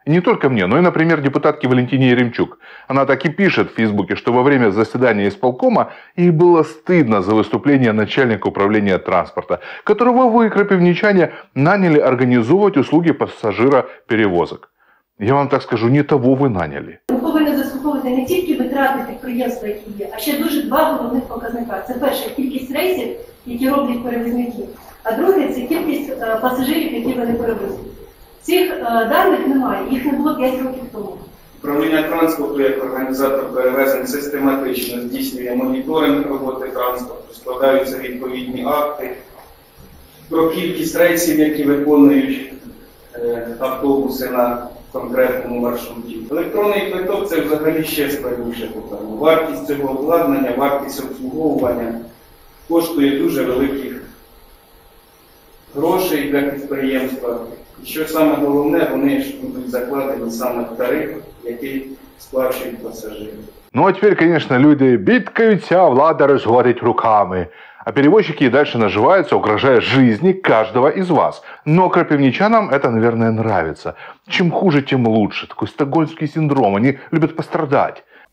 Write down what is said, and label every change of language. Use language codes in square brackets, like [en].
[ru] Не только мне, но и, например, депутатке Валентине Еремчук. Она так и пишет в Фейсбуке, что во время заседания исполкома ей было стыдно за выступление начальника управления транспорта, которого вы, крапивничане, наняли организовывать услуги пассажироперевозок. Я вам так скажу, не того вы наняли. [uk] Це не тільки витрати підприємства, які є, а ще дуже два головних показника. Це перше, кількість рейсів керовні перевізники, а друге – це кількість пасажирів, які вони перевезли. Цих даних немає, їх не було 5 років тому. Управління транспорту як організатор перевезень систематично здійснює моніторинг роботи транспорту, складаються відповідні акти про кількість рейсів, які виконують автобуси на конкретному маршруті. Електронний квиток – це взагалі ще складніше питання. Вартість цього обладнання, вартість обслуговування коштує дуже великих грошей для підприємства. І що саме головне, вони ж будуть закладені саме в тариф, який сплачують пасажири. Ну а тепер, звісно, люди бідкаються, а влада розводить руками. [ru] А перевозчики и дальше наживаются, угрожая жизни каждого из вас. Но крапивничанам это, наверное, нравится. Чем хуже, тем лучше. Такой стокгольмский синдром. Они любят пострадать.